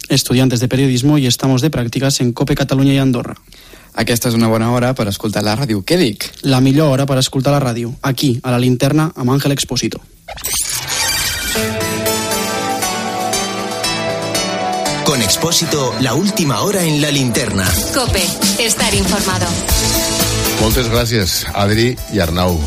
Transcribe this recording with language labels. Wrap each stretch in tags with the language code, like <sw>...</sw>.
<es>estudiantes de periodismo y estamos de prácticas en COPE Catalunya y Andorra.</es> <ca>Aquesta és una bona hora per escoltar la ràdio. Què dic? La millor hora per escoltar la ràdio. Aquí, a la Linterna, amb Àngel Expósito.</ca> <es>Con Expósito, la última hora en la Linterna. COPE, estar informado.</es> <ca>Moltes gràcies, Adri i Arnau.</ca>